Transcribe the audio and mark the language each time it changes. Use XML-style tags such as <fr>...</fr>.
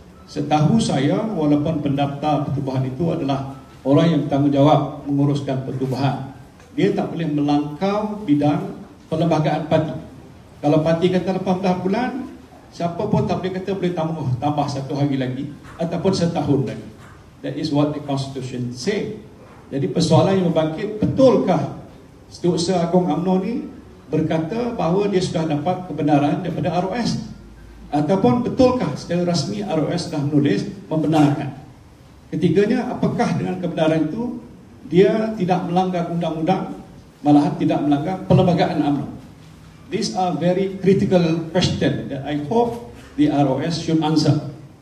<ms>Setahu saya, walaupun pendaftar pertubuhan itu adalah orang yang bertanggungjawab menguruskan pertubuhan, dia tak boleh melangkau bidang perlembagaan parti. Kalau parti kata 18 bulan, siapa pun tak boleh kata boleh tambah satu hari lagi ataupun setahun lagi.</ms> <en>That is what the constitution say.</en> <ms>Jadi persoalan yang membangkit, betulkah Setiausaha Agong UMNO ni berkata bahawa dia sudah dapat kebenaran daripada ROS, ataupun betulkah secara rasmi ROS dah menulis membenarkan? Ketiganya, apakah dengan kebenaran itu dia tidak melanggar undang-undang, malahan tidak melanggar perlembagaan UMNO?</ms> <en>These are very critical question that I hope the ROS should answer.</en>